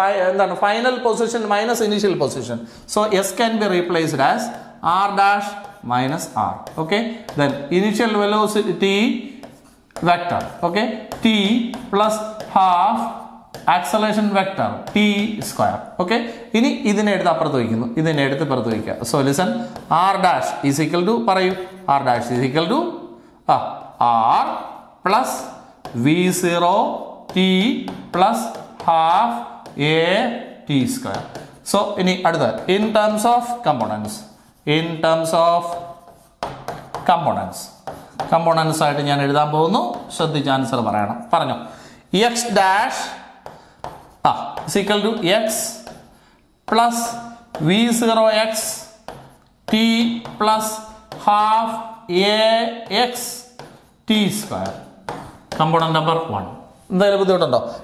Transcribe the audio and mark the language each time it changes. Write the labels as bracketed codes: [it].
[ml] എന്താണ് [en] Final position minus initial position. So S can be replaced as R dash minus R. Okay, then initial velocity vector. Okay, T plus half acceleration vector T square. [ml] Okay, ഇനി ഇതിനെ എടുത്ത് അപ്പുറത്ത് വയ്ക്കുന്നു. ഇതിനെ എടുത്ത് പുറത്ത് വയ്ക്കുക. [en] so listen, R dash is equal to [ml] പറയൂ. [en] R dash is equal to R plus V0 T plus half A T square. So, [ml] ഇനി അടുത്തത് [en] In terms of components. In terms of components, components [ml] ആയിട്ട് ഞാൻ എഴുതാൻ പോകുന്നു. ശ്രദ്ധിച്ച് answer പറയണം. പറഞ്ഞു [en] X dash equal to X plus V zero X T plus half A X T square. Component number one. [ml] എന്തായാലും ബുദ്ധിമുട്ടുണ്ടോ?